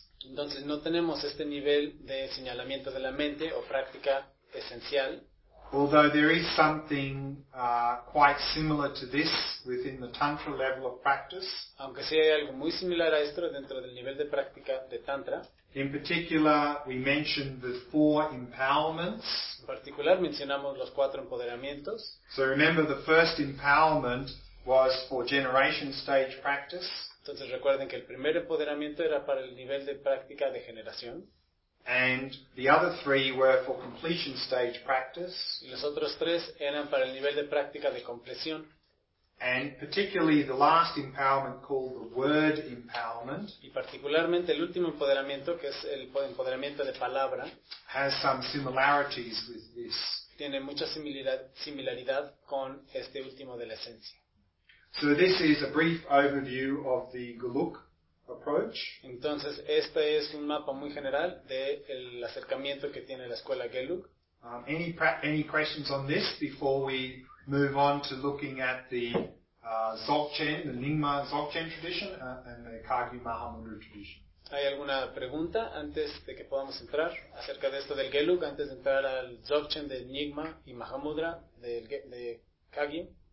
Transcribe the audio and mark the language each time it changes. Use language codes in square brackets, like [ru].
[es] Entonces no tenemos este nivel de señalamiento de la mente o práctica esencial. [en] Although there is something quite similar to this within the tantra level of practice. [es] Aunque sí hay algo muy similar a esto dentro del nivel de práctica de tantra. [en] In particular, we mentioned the four empowerments. [es] En particular mencionamos los cuatro empoderamientos. [en] So remember the first empowerment was for generation stage practice. [es] Entonces recuerden que el primer empoderamiento era para el nivel de práctica de generación. [en] And the other three were for completion stage practice. [es] Y los otros tres eran para el nivel de práctica de compleción. [en] And particularly the last empowerment called the word empowerment. [es] Y particularmente el último empoderamiento, que es el empoderamiento de palabra, [en] has some similarities with this. [es] Tiene mucha similaridad con este último de la esencia. [en] So this is a brief overview of the Galuk approach. [es] Entonces, este es un mapa muy general del acercamiento que tiene la escuela Geluk. [en] Any questions on this before we move on to looking at the Dzogchen, the Nyingma Dzogchen tradition and the Kagyu Mahamudra tradition? [es] ¿Hay alguna pregunta antes de que podamos entrar acerca de esto del Geluk, antes de entrar al Dzogchen de Nyingma y Mahamudra de Kagyu?